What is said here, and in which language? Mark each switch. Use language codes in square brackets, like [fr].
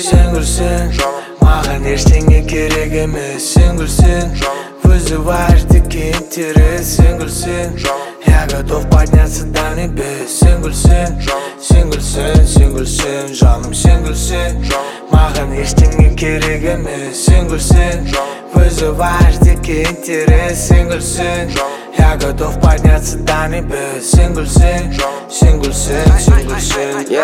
[kk] Сен күлсін, маған ештеңе керек емес. Сен күлсін, [ru] вызываешь дик интерес. [kk] Сен күлсін, [ru] я готов подняться до небес. [kk] Сен күлсін, сен күлсін, сен күлсін, жаным. Сен күлсін, маған ештеңе керек емес. Сен күлсін, [ru] вызываешь дик интерес. [kk] Сен күлсін, [ru] я готов подняться до небес. [kk] Сен күлсін, сен күлсін, сен күлсін.